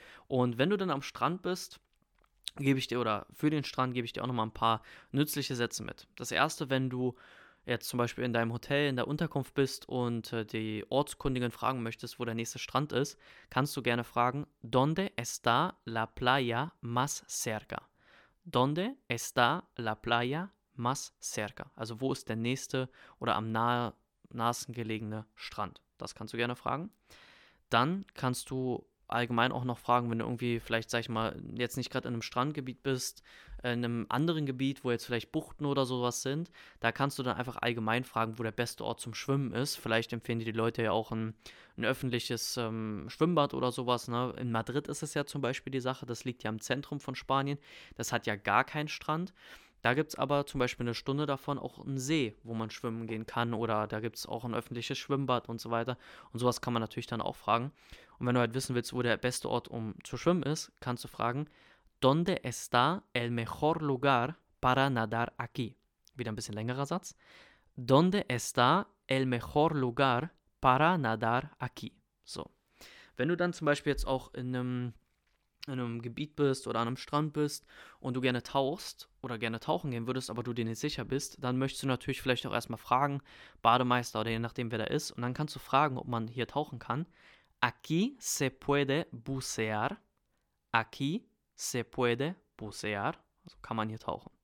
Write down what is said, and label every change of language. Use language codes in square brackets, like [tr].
[de] Und wenn du dann am Strand bist, gebe ich dir, oder für den Strand gebe ich dir auch nochmal ein paar nützliche Sätze mit. Das erste, wenn du jetzt zum Beispiel in deinem Hotel, in der Unterkunft bist und die Ortskundigen fragen möchtest, wo der nächste Strand ist, kannst du gerne fragen, [es] ¿Dónde está la playa más cerca? ¿Dónde está la playa más cerca? [de] Also wo ist der nächste oder am nahesten gelegene Strand? Das kannst du gerne fragen. Dann kannst du allgemein auch noch fragen, wenn du irgendwie vielleicht, sag ich mal, jetzt nicht gerade in einem Strandgebiet bist, in einem anderen Gebiet, wo jetzt vielleicht Buchten oder sowas sind, da kannst du dann einfach allgemein fragen, wo der beste Ort zum Schwimmen ist. Vielleicht empfehlen die Leute ja auch ein öffentliches Schwimmbad oder sowas, ne? In Madrid ist es ja zum Beispiel die Sache, das liegt ja im Zentrum von Spanien, das hat ja gar keinen Strand. Da gibt es aber zum Beispiel eine Stunde davon auch einen See, wo man schwimmen gehen kann, oder da gibt es auch ein öffentliches Schwimmbad und so weiter. Und sowas kann man natürlich dann auch fragen. Und wenn du halt wissen willst, wo der beste Ort, um zu schwimmen ist, kannst du fragen, [es] ¿Dónde está el mejor lugar para nadar aquí? [de] Wieder ein bisschen längerer Satz. [es] ¿Dónde está el mejor lugar para nadar aquí? [de] So. Wenn du dann zum Beispiel jetzt auch in einem Gebiet bist oder an einem Strand bist und du gerne tauchst oder gerne tauchen gehen würdest, aber du dir nicht sicher bist, dann möchtest du natürlich vielleicht auch erstmal fragen, Bademeister oder je nachdem, wer da ist, und dann kannst du fragen, ob man hier tauchen kann. [es] Aquí se puede bucear. Aquí se puede bucear. [de] Also kann man hier tauchen.